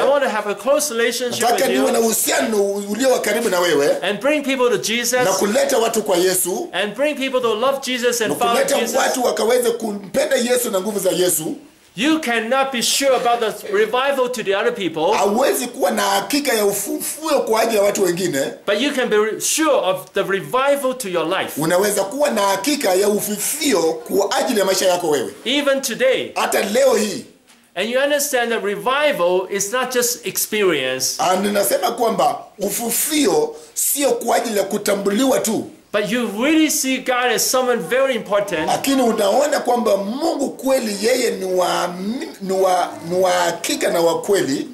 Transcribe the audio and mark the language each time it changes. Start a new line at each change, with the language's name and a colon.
English: I want to have a close relationship with you.
Swahili: Nataka niwe na uhusiano ulio wa karibu na wewe.
English: And bring people to Jesus.
Swahili: Na kuleta watu kwa Yesu.
English: And bring people to love Jesus and follow Jesus.
Swahili: Na kuleta watu wakaweze kumpenda Yesu na nguvu nguvu za Yesu.
English: You cannot be sure about the revival to the other people.
Swahili: Hawezi kuwa na hakika ya ufufuo kwa ajili ya watu wengine.
English: But you can be sure of the revival to your life.
Swahili: Unaweza kuwa na hakika ya ufufuo kwa ajili ya maisha yako wewe.
English: Even today.
Swahili: Hata leo hii.
English: And you understand that revival is not just experience.
Swahili: And ninasema kwamba ufufuo sio kwa ajili ya kutambuliwa tu.
English: But you really see God as someone very important.
Swahili: Lakini unaona kwamba Mungu kweli yeye ni wa hakika na wa kweli.